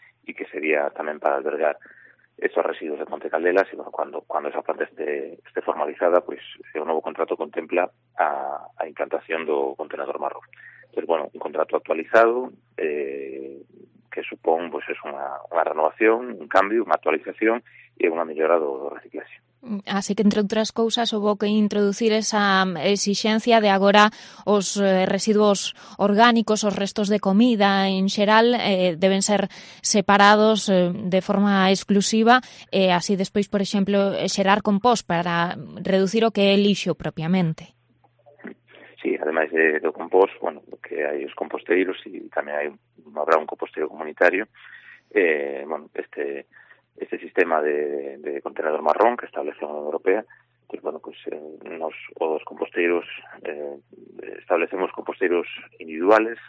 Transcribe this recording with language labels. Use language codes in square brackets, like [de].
[es] y que sería tamén para albergar esos residuos de Ponte Caldelas, y bueno, cuando esa planta esté formalizada, pues [gl] o novo contrato contempla a implantación do contenedor marrón. [es] Entonces, bueno, un contrato actualizado, [gl] que supón, [es] pues es una renovación, un cambio, una actualización y una [gl] mellora do reciclaxe. Así que, entre outras cousas, houve que introducir esa exixencia de agora os residuos orgánicos, os restos de comida en xeral, deben ser separados de forma exclusiva, así despois, por exemplo, xerar compost para reducir o que é lixo propiamente. [es] Sí, además de compost, bueno, que hay los composteiros y también habrá un compostero comunitario. Bueno, este sistema de contenedor marrón que establece la Unión Europea, pues bueno, pues los composteiros, establecemos composteiros individuales.